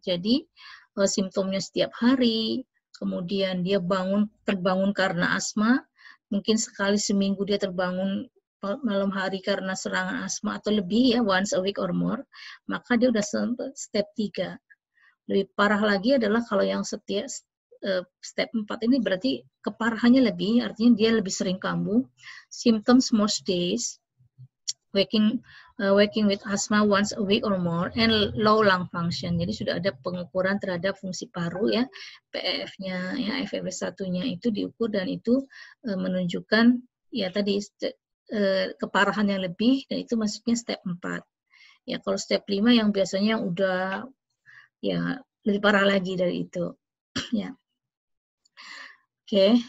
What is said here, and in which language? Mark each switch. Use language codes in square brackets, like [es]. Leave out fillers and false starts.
[id] Jadi simptomnya setiap hari, kemudian dia bangun terbangun karena asma, mungkin sekali seminggu dia terbangun malam hari karena serangan asma atau lebih ya, [en] once a week or more, [id] maka dia udah step 3. Lebih parah lagi adalah kalau yang setiap step 4 ini berarti keparahannya lebih, artinya dia lebih sering kambuh. [en] Symptoms most days, waking with asthma once a week or more, and low lung function. [id] Jadi sudah ada pengukuran terhadap fungsi paru ya, PEF-nya ya, FEV1-nya itu diukur dan itu menunjukkan ya tadi keparahan yang lebih, dan itu maksudnya step 4. Ya kalau step 5 yang biasanya udah ya lebih parah lagi dari itu. Ya. Oke, okay.